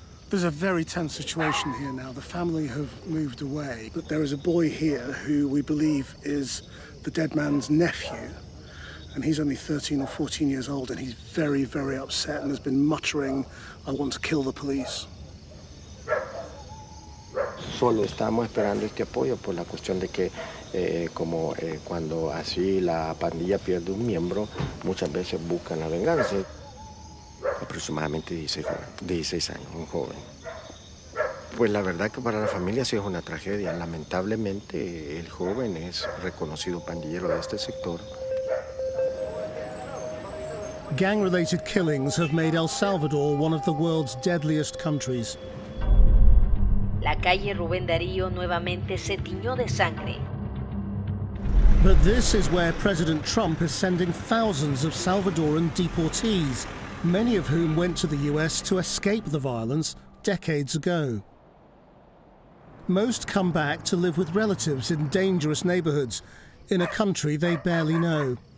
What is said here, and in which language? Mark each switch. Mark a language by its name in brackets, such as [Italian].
[English] There's a very tense situation here now. The family have moved away, but there is a boy here who we believe is the dead man's nephew. And he's only 13 or 14 years old, and he's very, very upset and has been muttering, "I want to kill the police." [Spanish] Solo estamos esperando este apoyo por la cuestión de que como cuando así la pandilla pierde un miembro, muchas veces buscan la venganza. Aproximadamente 16 años, un joven. Pues la verdad que para la familia sí es una tragedia. Lamentablemente el joven es reconocido pandillero de este sector. [English] Gang-related killings have made El Salvador one of the world's deadliest countries. [Spanish] La calle Rubén Darío nuevamente se tiñó de sangre. [English] But this is where President Trump is sending thousands of Salvadoran deportees, many of whom went to the US to escape the violence decades ago. Most come back to live with relatives in dangerous neighborhoods in a country they barely know.